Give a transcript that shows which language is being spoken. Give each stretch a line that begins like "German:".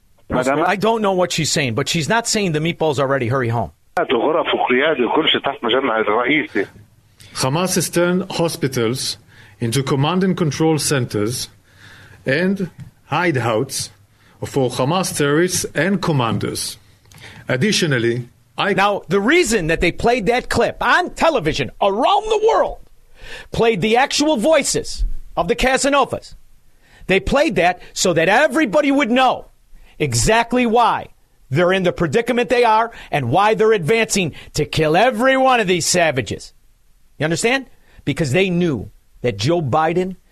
English: I don't know what she's saying, but she's not saying the meatballs are ready, hurry home.
Arabic: غرف القيادة كل شيء تحت مجمع الرئيسي.
English: Hamas has turned hospitals into command and control centers and hideouts for Hamas terrorists and commanders. Additionally, Now, the reason that they played that clip on television around the world, played the actual voices of the Casanovas, they played that so that everybody would know exactly why they're in the predicament they are and why they're advancing to kill every one of these savages. You understand? Because they knew that Joe Biden